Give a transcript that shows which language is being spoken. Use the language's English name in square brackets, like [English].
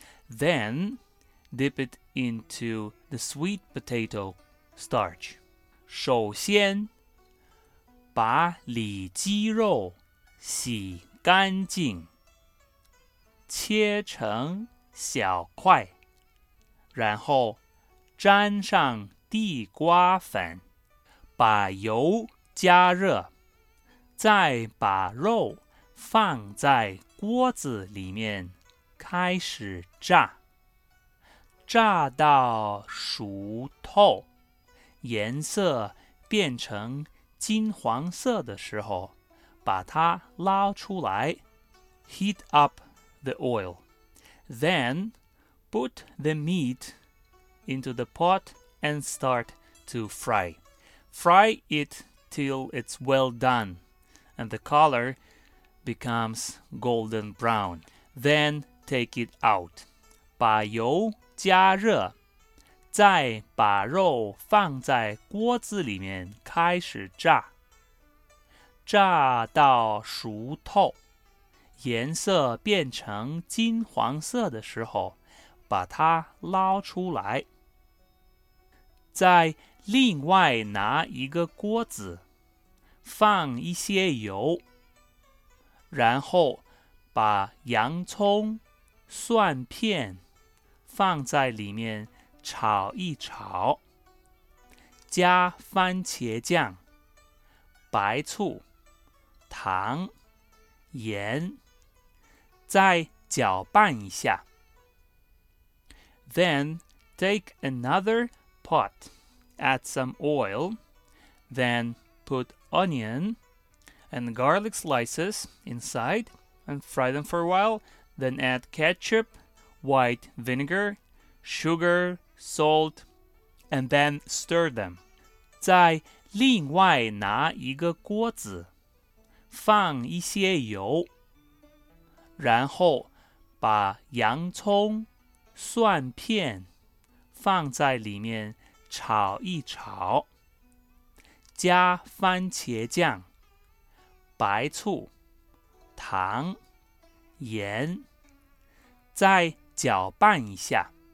[English] Then, dip it into the sweet potato starch. [Chinese] 首先，把里脊肉洗干净，切成小块，然后沾上地瓜粉，把油加热，再把肉放在锅子里面开始炸，炸到熟透，颜色变成金黄色的时候，把它捞出来。 [English] Heat up the oil. Then, put the meat into the pot and start to fry. Fry it till it's well done and the color becomes golden brown. Then, take it out. [Chinese] 把油加热，再把肉放在锅子里面开始炸，炸到熟透，颜色变成金黄色的时候，把它捞出来。再另外拿一个锅子，放一些油，然后把洋葱、蒜片放在里面炒一炒，加番茄酱、白醋、糖、盐，再搅拌一下。 [English] Then take another pot, add some oil, then put onion and garlic slices inside and fry them for a while, then add ketchup, white vinegar, sugar,Salt, and then stir them. [Chinese] 再另外拿一个锅子，放一些油，然后把洋葱、蒜片放在里面炒一炒，加番茄酱、白醋、糖、盐，再搅拌一下。